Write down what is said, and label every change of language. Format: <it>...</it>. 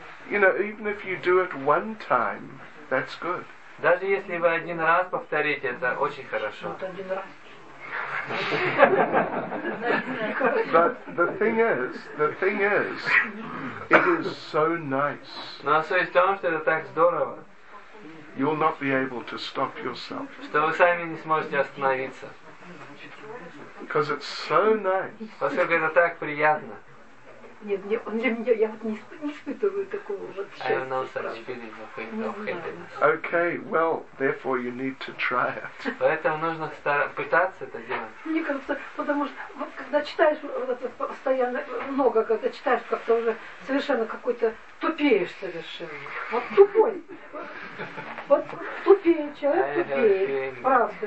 <en>You know, even if you do it one time, that's good.</en> <ru>Даже если вы один раз повторите, это очень хорошо.</ru> <en>But the thing is, it is so nice.</en> <ru>Но суть в том, что это так здорово.</ru> <en>You'll not be able to stop yourself.</en> <ru>Что вы сами не сможете остановиться.</ru> <en>Because it's so nice.</en> <ru>Поскольку это так приятно. Нет, мне, он для меня, я вот не испытываю такого вот счастья.</ru> <en>I have no such feeling of happiness. Okay, well, therefore you need to try it.</en> <ru>Поэтому нужно пытаться это делать. Мне кажется, потому что вот, когда читаешь вот это постоянно, много, когда читаешь, как-то уже совершенно какой-то тупеешь совершенно. Вот тупой. Вот тупее, человек тупее. Правда.</ru>